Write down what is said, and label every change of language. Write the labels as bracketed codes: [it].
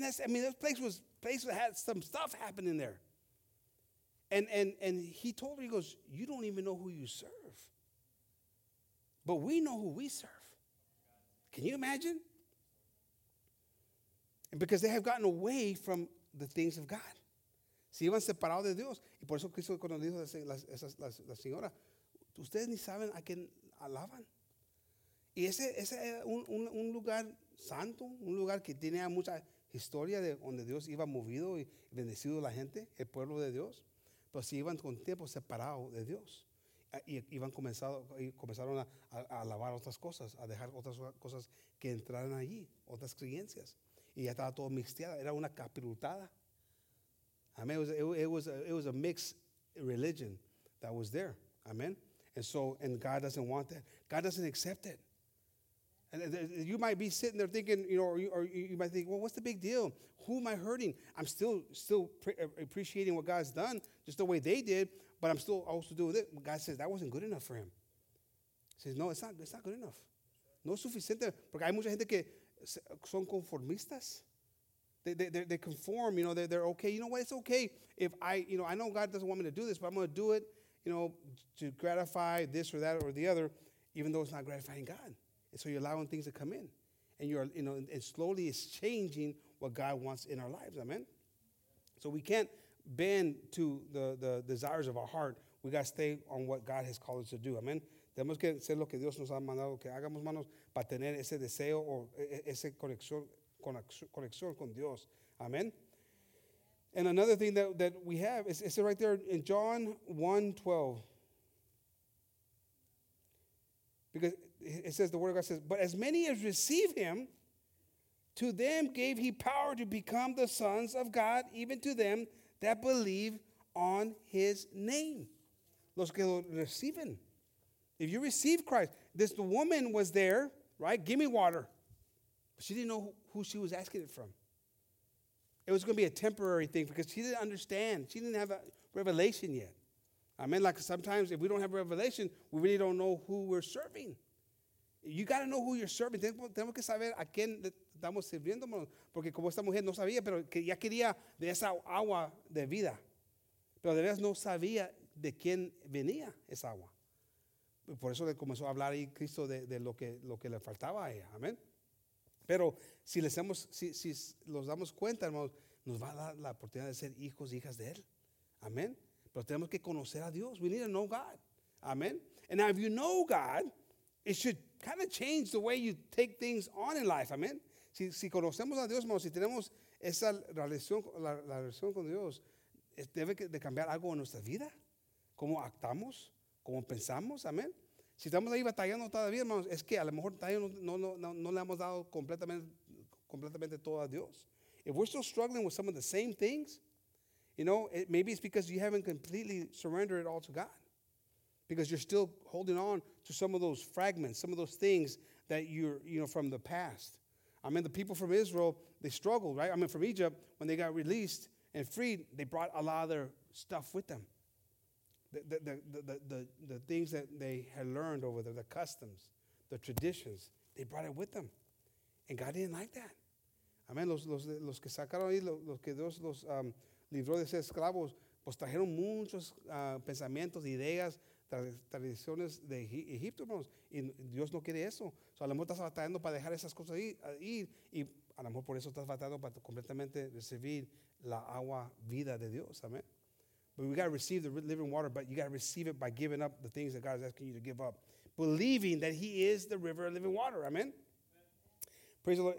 [en] That place had some stuff happening there. And he told her, he goes, you don't even know who you serve. But we know who we serve. Can you imagine? And because they have gotten away from the things of God. [es] Se iban separado de Dios. Y por eso Cristo cuando dijo la señora, ustedes ni saben a quién alaban. Y ese es un lugar santo, un lugar que tenía mucha historia de donde Dios iba movido y bendecido la gente, el pueblo de Dios. Pero si iban con tiempo separado de Dios. Y comenzaron a alabar otras cosas, a dejar otras cosas que entraran allí, otras creencias. Y ya estaba todo mixteada, era una capirutada. [en] Amen. It was a mixed religion that was there. Amen. And God doesn't want that. God doesn't accept it. And you might be sitting there thinking, you might think, well, what's the big deal? Who am I hurting? I'm still appreciating what God's done, just the way they did. But I'm still also doing it. God says that wasn't good enough for him. He says, no, it's not good enough. [es] No es suficiente, porque hay mucha gente que son conformistas. [en] They conform, they're okay. You know what? It's okay if I know God doesn't want me to do this, but I'm going to do it, to gratify this or that or the other, even though it's not gratifying God. And so you're allowing things to come in. And you're, and slowly it's changing what God wants in our lives. Amen? So we can't bend to the desires of our heart. We got to stay on what God has called us to do. Amen? [es] Tenemos que hacer lo que Dios nos ha mandado que hagamos, manos, para tener ese deseo o ese conexión. Conexión con Dios. Amen. [en] And another thing that we have is it right there in John 1:12. Because it says, the word of God says, but as many as receive him, to them gave he power to become the sons of God, even to them that believe on his name. [es] Los que lo reciben. [en] If you receive Christ, this the woman was there, right? Give me water. She didn't know who she was asking it from. It was going to be a temporary thing because she didn't understand. She didn't have a revelation yet. I mean, like sometimes if we don't have a revelation, we really don't know who we're serving. You got to know who you're serving. [es] Tenemos que saber a quién estamos sirviendo. Porque como esta mujer no sabía, pero ya quería de esa agua de vida. Pero de veras no sabía de quién venía esa agua. Por eso le comenzó a hablar ahí Cristo de lo que le faltaba a ella. Amén. Pero si les hemos, si los damos cuenta, hermanos, nos va a dar la oportunidad de ser hijos e hijas de Él. Amén. Pero tenemos que conocer a Dios. [en] We need to know God. [es] Amén. [en] And now if you know God, it should kind of change the way you take things on in life. [es] Amén. Si conocemos a Dios, hermanos, si tenemos esa relación, la relación con Dios, debe de cambiar algo en nuestra vida. Cómo actamos, cómo pensamos. Amén. Si estamos ahí batallando todavía, hermanos, es que a lo mejor todavía no le hemos dado completamente todo a Dios. [en] If we're still struggling with some of the same things, maybe it's because you haven't completely surrendered it all to God. Because you're still holding on to some of those fragments, some of those things that you're, from the past. I mean, the people from Israel, they struggled, right? I mean, from Egypt, when they got released and freed, they brought a lot of their stuff with them. The things that they had learned over there, the customs, the traditions, they brought it with them. And God didn't like that. Amen. [es] Los que sacaron ahí, los que Dios los libró de ser esclavos, pues trajeron muchos pensamientos, ideas, tradiciones de Egipto, hermanos. Y Dios no quiere eso. So, a lo mejor estás batallando para dejar esas cosas ahí. Y a lo mejor por eso estás batallando para completamente recibir la agua vida de Dios. [en] Amen. But we got to receive the living water, but you got to receive it by giving up the things that God is asking you to give up. Believing that he is the river of living water. Amen? Amen. Praise the Lord.